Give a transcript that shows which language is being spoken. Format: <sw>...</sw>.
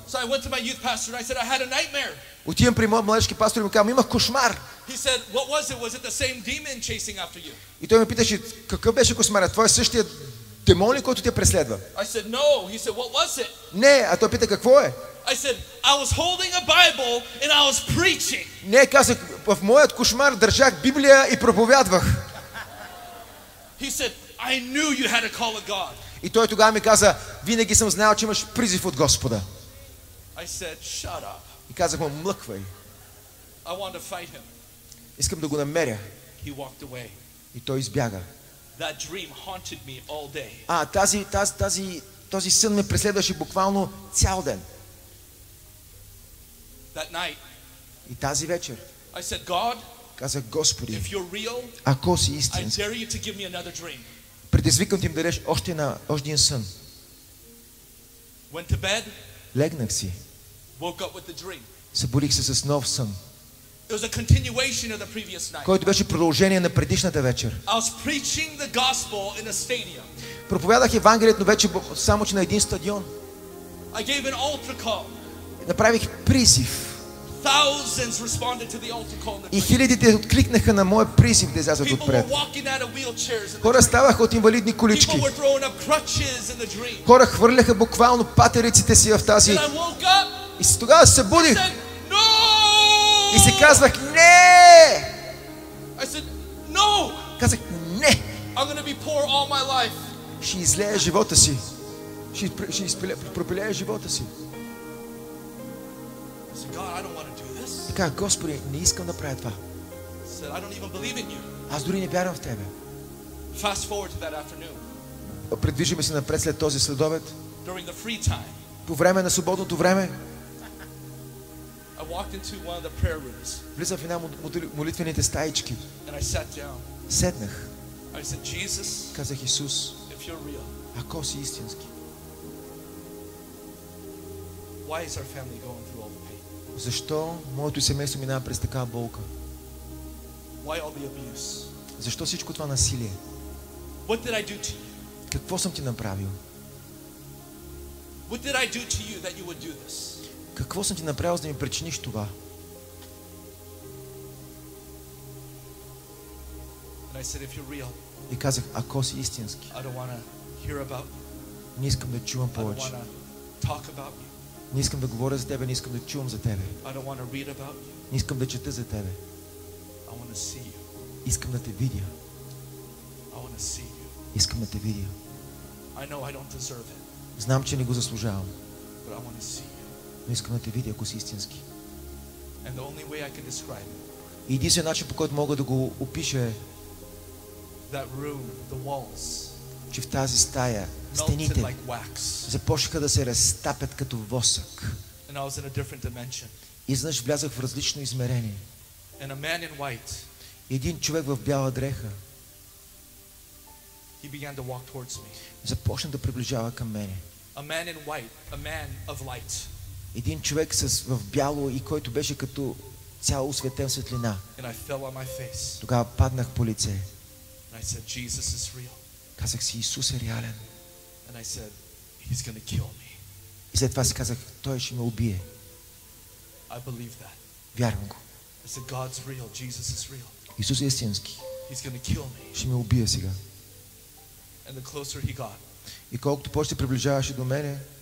<en>So I went to my youth pastor and I said I had a nightmare.</en> <bg>Отивам при моят младежки пастор и му казвам, имах кошмар.</bg> <en>He said, what was it? Was it the same demon chasing after you?</en> <bg>И той ме питаше, какъв беше кошмарът? Това е същия демон ли, който те преследва?</bg> <en>I said, no. He said, what was it?</en> <bg>Не, а той пита, какво е?</bg> <en>I said, I was holding a Bible and I was preaching.</en> <bg>Не, казах, в моят кошмар държах Библия и проповядвах.</bg> <en>He said, I knew you had a call of God.</en> <bg>И той тогава ми каза, винаги съм знал, че имаш призив от Господа.</bg> <en>I said, shut up.</en> <bg>И казах му, млъквай.</bg> <en>I want to fight him.</en> <bg>Искам да го намеря.</bg> <en>He walked away.</en> <bg>И той избяга.</bg> <en>That dream haunted me all day.</en> <bg>Този сън ме преследваше буквално цял ден.</bg> <en>That night.</en> <bg>И тази вечер.</bg> <en>I said, God,</en> <bg>казах, Господи,</bg> <en>if you're real,</en> <bg>ако си истин,</bg> <en>I dare you to give me another dream.</en> <bg>Предизвикам ти да дадеш още един сън.</bg> <en>Went to bed.</en> <bg>Легнах си.</bg> <en>Woke up with the dream.</en> <bg>Събудих се с нов сън.</bg> <en>It was a continuation of the previous night.</en> <bg>Който беше продължение на предишната вечер.</bg> <en>I was preaching the gospel in a stadium.</en> <bg>Проповядах Евангелието, но вече само че на един стадион.</bg> <en>I gave an altar call.</en> <bg>Направих призив.</bg> <en>Thousands responded to the altar call.</en> <bg>И хилядите откликнаха на моя призив да излязат отпред.</bg> <en>People were walking out of wheelchairs.</en> <bg>Хора ставаха от инвалидни колички.</bg> <en>People were throwing up crutches in the dream.</en> <bg>Хора хвърляха буквално патериците си в тази.</bg> <en>And I woke up.</en> <bg>И тогава се събудих.</bg> <en>No,</en> <bg>И си казвах: "Не!"</bg> <en>I said, "No!"</en> <bg>Казах: "Не!"</bg> <en>I'm going to be poor all my life.</en> <bg>Ще излея живота си. Ще пропиляя живота си.</bg> <en>I said, "God, I don't want to do this."</en> <bg>Така, Господи, не искам да правя това.</bg> <en>I said, "I don't even believe in you."</en> <bg>Аз дори не вярвам в Тебе.</bg> <en>Fast forward to that afternoon.</en> <bg>Придвижиме се напред след този следобед.</bg> <en>During the free time.</en> <bg>По време на свободното време.</bg> <en>I walked into one of the prayer rooms.</en> <bg>Влизам в една от молитвените стаички.</bg> <en>And I sat down.</en> <bg>Седнах.</bg> <en>I said, "Jesus."</en> <bg>Казах: "Исус,</bg> <en>if you're real,</en> <bg>ако си истински,</bg> <en>why is our family going through all the pain?</en> <bg>Защо моето семейство минава през такава болка?</bg> <en>Why all the abuse?</en> <bg>Защо всичко това насилие?</bg> <en>What did I do to you?</en> <bg>Какво съм ти направил?</bg> <en>What did I do to you that you would do this?</en> <bg>Какво съм ти направил, за да ми причиниш това?"</bg> <en>And I said, "If you're real."</en> <bg>И казах: "Ако си истински,</bg> <en>I don't wanna hear about you.</en> <bg>Не искам да чувам повече.</bg> <en>I don't wanna talk about you.</en> <bg>Не искам да говоря за тебе, не искам да чувам за тебе.</bg> <en>I don't wanna read about you.</en> <bg>Не искам да чета за тебе.</bg> <en>I wanna see you.</en> <bg>Искам да те видя.</bg> <en>I wanna see you.</en> <bg>Искам да те видя.</bg> <en>I know I don't deserve it.</en> <bg>Знам, че не го заслужавам.</bg> <en>But I wanna see you.</en> <bg>Но искам да те видя, ако си истински.</bg> <en>And the only way I can describe it.</en> <bg>Единственият начин, по който мога да го опиша, е</bg> <en>that room, the walls,</en> <bg>че в тази стая стените</bg> <en>like wax.</en> <bg>Започнаха да се разтапят като восък.</bg> <en>And I was in a different dimension.</en> <bg>Изнъж влязах в различно измерение.</bg> <en>And a man in white.</en> <bg>Един човек в бяла дреха.</bg> <en>He began to walk towards me.</en> <bg>Започна да приближава към мене.</bg> <en>A man in white, a man of light.</en> <bg>Един човек в бяло и който беше като цяло осветен светлина.</bg> <en>And I fell on my face.</en> <bg>Тогава паднах по лице.</bg> <en>And I said, "Jesus is real."</en> <bg>Казах си: "Исус е реален."</bg> <en>And I said, "He's gonna kill me."</en> <bg>И след това си казах: "Той ще ме убие."</bg> <en>I believe that.</en> <bg>Вярвам го.</bg> <en>I said, "God's real. Jesus is real.</en> <bg>Исус е истински.</bg> <en>He's gonna kill me.</en> <bg>Ще ме убие сега."</bg> <en>And the closer he got.</en> <bg>И колкото повече приближаваше до мене,</bg>